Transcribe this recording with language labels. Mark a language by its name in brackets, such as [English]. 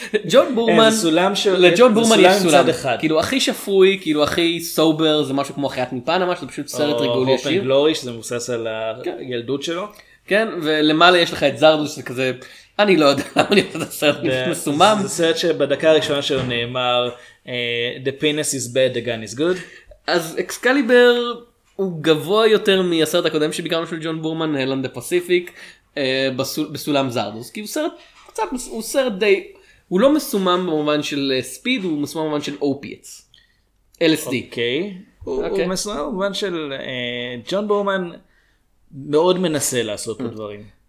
[Hebrew] ג'ון בורמן, לג'ון בורמן יש סולם. כאילו הכי שפוי, כאילו הכי סובר, זה משהו כמו חיית מפנמה, שזה פשוט סרט רגול ישיר. או הופן גלורי, שזה מבוסס על הילדות שלו. כן, ולמעלה יש לך את זרדוס, שזה כזה, אני לא יודע למה אני עושה את הסרט מסומם. זה סרט שבדקה הראשונה שלו נאמר, [English] the penis is bad, the gun is good. [Hebrew] אז אקסקליבר... הוא גבוה יותר מהסרט הקודם שביקרנו של ג'ון בורמן, הלנד הפסיפיק, בסולם זרדוס. כי הוא סרט קצת, הוא סרט די, הוא לא מסומם במובן של ספיד, הוא מסומם במובן של אופייטס. LSD. אוקיי. הוא מסומם במובן של ג'ון בורמן מאוד מנסה לעשות את הדברים.